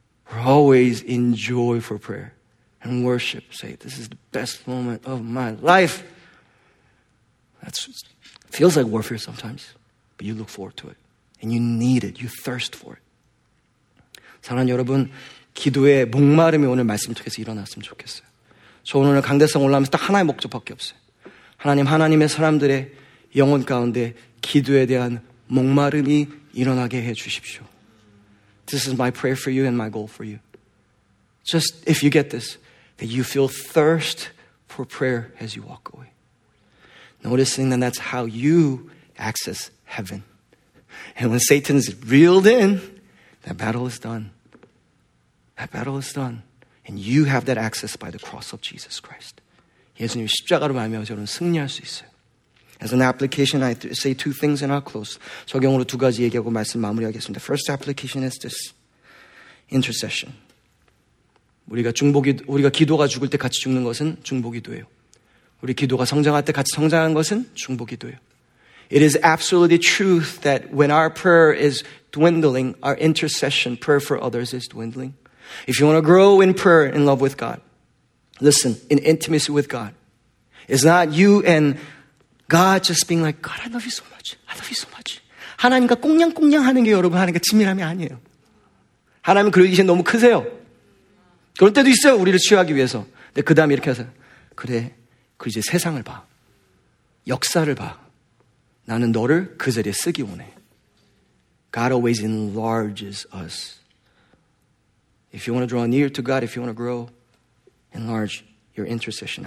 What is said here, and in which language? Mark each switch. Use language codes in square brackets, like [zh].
[en] We're always in joy for prayer and worship. Say, this is the best moment of my life. That feels like warfare sometimes. But you look forward to it. And you need it. You thirst for it. [ko] 사랑하는 여러분, 기도에 목마름이 오늘 말씀 통해서 일어났으면 좋겠어요. 저 오늘 강대성 올라가면서 딱 하나의 목적밖에 없어요. 하나님의 사람들의 영혼 가운데 기도에 대한 목마름이 일어나게 해 주십시오. [en] This is my prayer for you and my goal for you. Just if you get this, that you feel thirst for prayer as you walk away. Noticing that that's how you access heaven. And when Satan's reeled in, that battle is done. That battle is done. And you have that access by the cross of Jesus Christ. [ko] 예수님의 십자가로 말미암아 저는 승리할 수 있어요. [en] As an application, I say two things and I'll close. [ko] 적용으로 두 가지 얘기하고 말씀 마무리하겠습니다. [en] The first application is this. Intercession. [ko] 우리가 기도가 죽을 때 같이 죽는 것은 중보기도예요. 우리 기도가 성장할 때 같이 성장하는 것은 중보기도예요. [en] It is absolutely truth that when our prayer is dwindling, our intercession, prayer for others is dwindling. If you want to grow in prayer, in love with God, listen, in intimacy with God, it's not you and God just being like, God, I love you so much. I love you so much. [ko] 하나님과 꽁냥꽁냥 하는 게 여러분 하나님과 친밀함이 아니에요. 하나님 그러기신 너무 크세요. 그럴 때도 있어요, 우리를 치유하기 위해서. 근데 그 다음에 이렇게 하세요. 그래, 그 이제 세상을 봐. 역사를 봐. 나는 너를 그 자리에 쓰기 원해. [en] God always enlarges us. If you want to draw near to God, if you want to grow, enlarge your intercession.